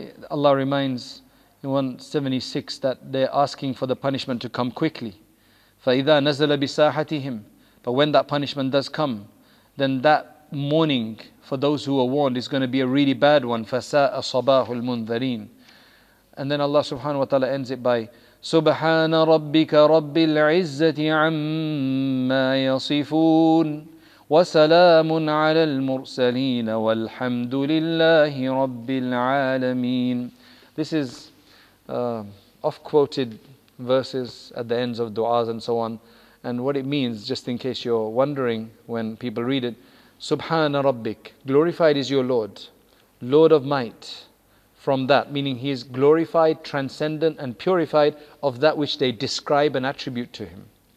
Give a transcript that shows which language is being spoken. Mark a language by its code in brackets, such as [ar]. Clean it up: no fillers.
[en] Allah reminds in 176 that they're asking for the punishment to come quickly. [ar] فَإِذَا نَزَلَ بِسَاحَتِهِمْ [en] But when that punishment does come, then that mourning for those who are warned is going to be a really bad one. [ar] فَسَاءَ صَبَاهُ الْمُنذَرِينَ [en] And then Allah subhanahu wa ta'ala ends it by [ar] سُبْحَانَ رَبِّكَ رَبِّ الْعِزَّةِ عَمَّا يَصِفُونَ وسلام على المرسلين والحمد لله رب العالمين. [en] This is off-quoted verses at the ends of du'as and so on. And what it means, just in case you're wondering when people read it, Subhana Rabbik, glorified is your Lord, Lord of might. From that, meaning He is glorified, transcendent, and purified of that which they describe and attribute to Him.